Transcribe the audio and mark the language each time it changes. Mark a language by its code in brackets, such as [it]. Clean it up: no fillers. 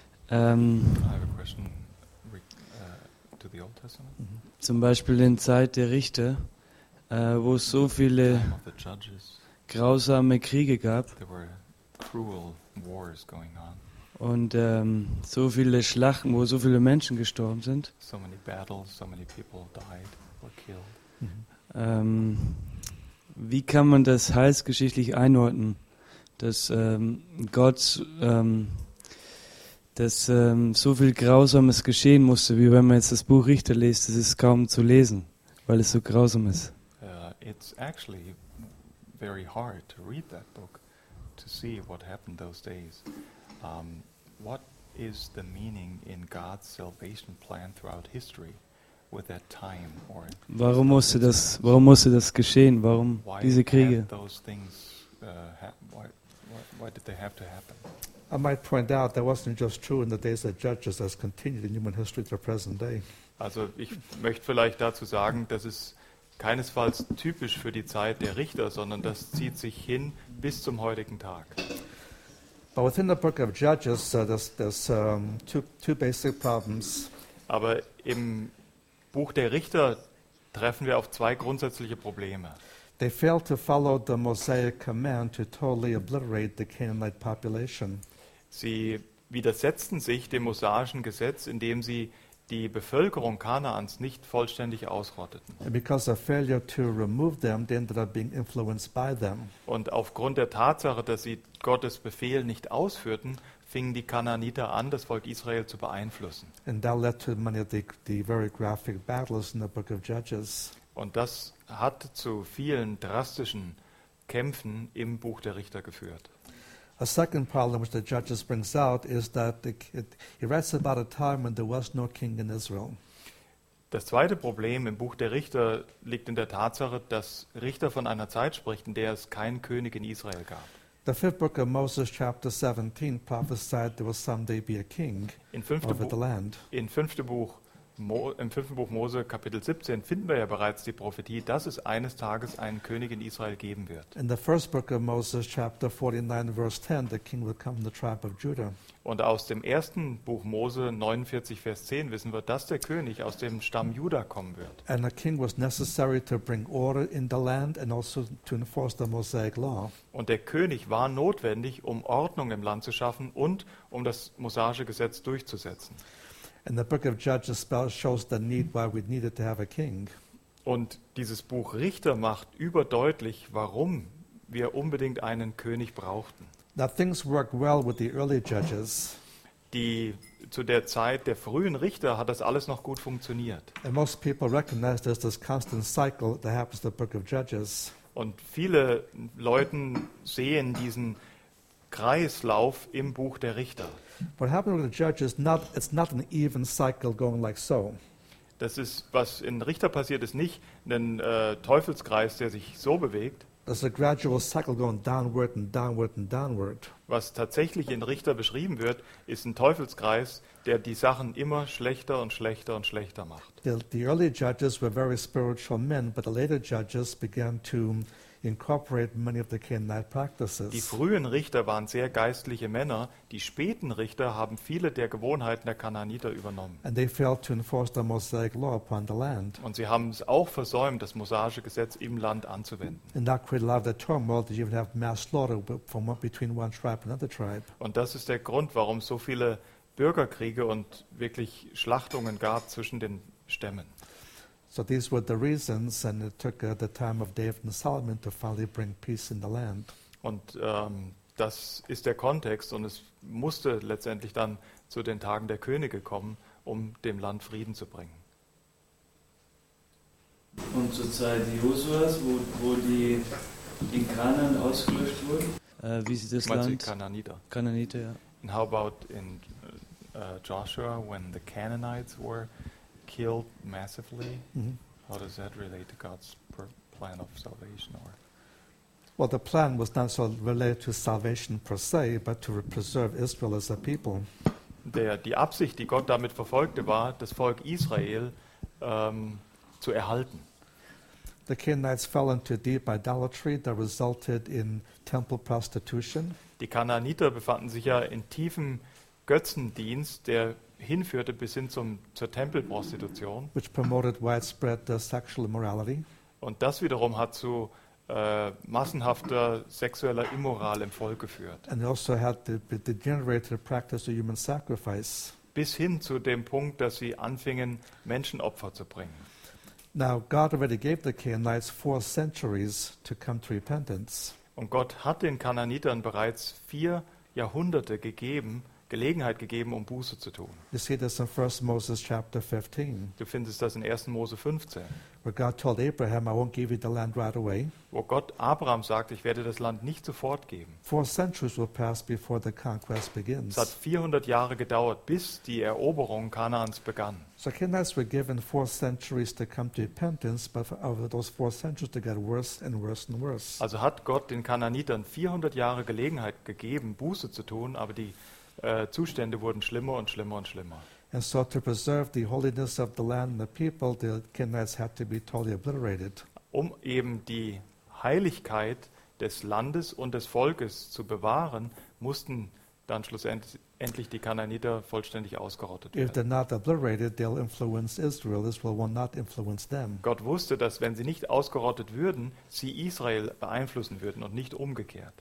[en] I have a question to the Old Testament. [de] Zum Beispiel in Zeit der Richter, wo es so viele [en] judges, [de] grausame Kriege gab. [en] There were cruel wars going on. [de] Und so viele Schlachten, wo so viele Menschen gestorben sind. [en] So many battles, so many people died or killed. [de] Wie kann man das heilsgeschichtlich einordnen, dass Gott, dass so viel Grausames geschehen musste, wie wenn man jetzt das Buch Richter liest, das ist kaum zu lesen, weil es so grausam ist. [en] It's actually very hard to read that book to see what happened those days. What is the meaning in God's salvation plan throughout history? With that time or [de] warum musste das geschehen? Warum diese Kriege? [en] I might point out that wasn't just true in the days of judges, that's continued in human history to the present day. [de] Also ich möchte vielleicht dazu sagen, das ist keinesfalls typisch für die Zeit der Richter, sondern das zieht sich hin bis zum heutigen Tag. [en] But within the book of Judges, there's two basic problems. [de] Aber im Buch der Richter treffen wir auf zwei grundsätzliche Probleme. [en] They failed to follow the Mosaic command to totally obliterate the Canaanite population. [de] Sie widersetzten sich dem mosaischen Gesetz, indem sie die Bevölkerung Kanaans nicht vollständig ausrotteten. [en] And because of failure to remove them, they ended up being influenced by them. [de] Und aufgrund der Tatsache, dass sie Gottes Befehl nicht ausführten, fingen die Kanaaniter an, das Volk Israel zu beeinflussen. [en] And that led to many of the very graphic battles in the book of Judges. [de] Und das hat zu vielen drastischen Kämpfen im Buch der Richter geführt. [en] A second problem which the Judges brings out is that he writes about a time when there was no king in Israel. [de] Das zweite Problem im Buch der Richter liegt in der Tatsache, dass Richter von einer Zeit spricht, in der es keinen König in Israel gab. [en] The fifth book of Moses, chapter 17, prophesied there will someday be a king over the land. [de] Im fünften Buch Mose, Kapitel 17, finden wir ja bereits die Prophetie, dass es eines Tages einen König in Israel geben wird. [en] In the first book of Moses, chapter 49, verse 10, the king will come from the tribe of Judah. [de] Und aus dem ersten Buch Mose, 49, Vers 10, wissen wir, dass der König aus dem Stamm Judah kommen wird. [en] And a king was necessary to bring order in the land and also to enforce the Mosaic law. [de] Und der König war notwendig, um Ordnung im Land zu schaffen und um das mosaische Gesetz durchzusetzen. [en] And the book of Judges shows the need why we needed to have a king. [de] Und dieses Buch Richter macht überdeutlich, warum wir unbedingt einen König brauchten. [en] Now things work well with the early judges. [de] Zu der Zeit der frühen Richter hat das alles noch gut funktioniert. [en] And most people recognize there's this constant cycle that happens in the book of Judges. [de] Und viele Leute sehen diesen Kreislauf im Buch der Richter. [en] What happened with the judges? It's not an even cycle going like so. [de] Das ist, was in Richter passiert, ist nicht ein Teufelskreis, der sich so bewegt. [en] There's a gradual cycle going downward and downward and downward. [de] Was tatsächlich in Richter beschrieben wird, ist ein Teufelskreis, der die Sachen immer schlechter und schlechter und schlechter macht. [en] The early judges were very spiritual men, but the later judges began to incorporate many of the Canaanite practices. [de] Die frühen Richter waren sehr geistliche Männer, die späten Richter haben viele der Gewohnheiten der Kanaaniter übernommen. [en] And they failed to enforce the Mosaic law upon the land. [de] Und sie haben es auch versäumt, das mosaische Gesetz im Land anzuwenden. [en] And that created a lot of the turmoil that you even have mass slaughter from between one tribe and another tribe. [de] Und das ist der Grund, warum so viele Bürgerkriege und wirklich Schlachtungen gab zwischen den Stämmen. [en] So these were the reasons, and it took the time of David and Solomon to finally bring peace in the land. [de] Und das ist der Kontext, und es musste letztendlich dann zu den Tagen der Könige kommen, um dem Land Frieden zu bringen. Und zur Zeit Josuas, wo die in Kanaan ausgelöscht wurden? Wie sieht das Land? Kanaaniter. Kanaaniter, ja. [en] And how about in Joshua, when the Canaanites were killed massively? Mm-hmm. How does that relate to God's plan of salvation? Or well, the plan was not so related to salvation per se, but to preserve Israel as a people. [de] Die Absicht, die Gott damit verfolgte, war, das Volk Israel zu erhalten. [en] The Canaanites fell into deep idolatry that resulted in temple prostitution. [de] Die Kanaaniter befanden sich ja in tiefem Götzendienst, der hinführte bis hin zur Tempelprostitution. [en] Which promoted widespread sexual immorality. [de] Und das wiederum hat zu massenhafter sexueller Immoral im Volk geführt. [en] And also had the degenerated practice of human sacrifice. [de] Bis hin zu dem Punkt, dass sie anfingen, Menschenopfer zu bringen. [en] Now God already gave the Canaanites 4 centuries to come to repentance. [de] Und Gott hat den Kanaanitern bereits 4 Jahrhunderte gegeben, Gelegenheit gegeben, um Buße zu tun. [en] You see this in 1 Moses chapter 15. [de] Du findest das in 1. Mose 15. [en] Where God told Abraham, I won't give you the land right away. [de] Wo Gott Abraham sagt, ich werde das Land nicht sofort geben. [en] 4 centuries will pass before the conquest begins. [de] Es hat 400 Jahre gedauert, bis die Eroberung Kanaans begann. [en] So Canaanites were given 4 centuries to come to repentance, but over those 4 centuries they got worse and worse and worse. [de] Also hat Gott den Kanaanitern 400 Jahre Gelegenheit gegeben, Buße zu tun, aber die Zustände wurden schlimmer und schlimmer und schlimmer. [en] And so to preserve the holiness of the land and the people, the Canaanites had to be totally obliterated. [de] Um eben die Heiligkeit des Landes und des Volkes zu bewahren, mussten dann schlussendlich die Kanaaniter vollständig ausgerottet werden. [en] If they're not obliterated, they'll influence Israel. Israel will not influence them. [de] Gott wusste, dass wenn sie nicht ausgerottet würden, sie Israel beeinflussen würden und nicht umgekehrt.